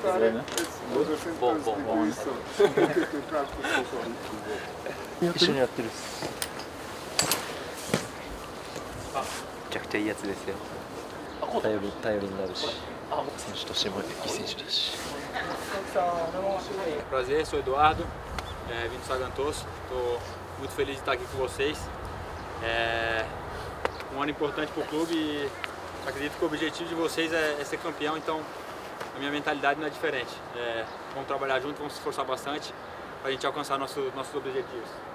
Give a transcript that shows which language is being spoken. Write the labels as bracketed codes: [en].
[en] it's the symptoms of the disease, so you can practice [ja] also. 一緒にやってるっす。めちゃくちゃいいやつですよ。頼りになるし、選手としてもいい選手だし。 [pt] Prazer, sou Eduardo, vim do Sagantos. Estou muito feliz de estar aqui com vocês. Um ano importante para o clube e acredito que o objetivo de vocês é ser campeão, então... A minha mentalidade não é diferente. Vamos trabalhar junto, vamos se esforçar bastante para a gente alcançar nossos objetivos.